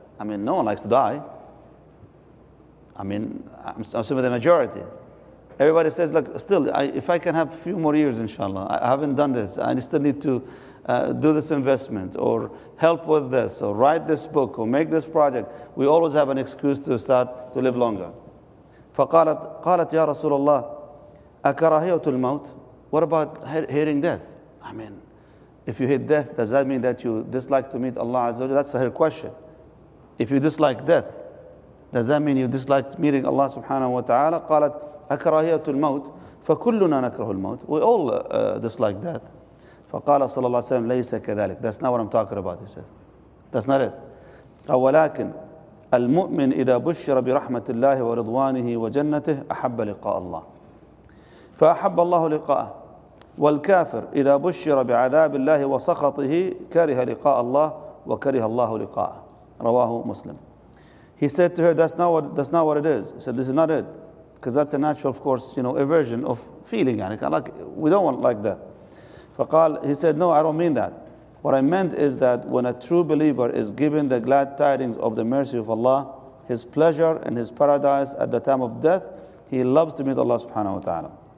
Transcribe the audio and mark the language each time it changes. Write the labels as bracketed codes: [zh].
[en] I mean, no one likes to die. I mean, I'm assuming the majority. Everybody says, look, still, if I can have a few more years, inshallah, I haven't done this. I still need to do this investment or help with this or write this book or make this project. We always have an excuse to start to live longer. [ar] فقالت, قالت يا رسول الله, أكراهية الموت? [en] What about hearing death? I mean, if you hate death, does that mean that you dislike to meet Allah Azza wa Jalla? That's her question. If you dislike death, does that mean you dislike meeting Allah subhanahu wa ta'ala? [ar] قالت أكراهيات الموت فكلنا نكره الموت. [en] We all dislike death. [ar] فقال صلى الله عليه وسلم ليس كذلك. [en] That's not what I'm talking about, he says. That's not it. [ar] ولكن المؤمن إذا بشر برحمة الله ورضوانه وجنته أحب لقاء الله فأحب الله لقاءه والكافر إذا بشر بعذاب الله وسخطه كره لقاء الله وكره الله لقاءه. رواه مسلم. [en] He said to her, that's not what it is. He said, this is not it. Because that's a natural, of course, you know, aversion of feeling. Like, we don't want like that. فقال, he said, no, I don't mean that. What I meant is that when a true believer is given the glad tidings of the mercy of Allah, his pleasure and his paradise at the time of death, he loves to meet Allah subhanahu wa ta'ala.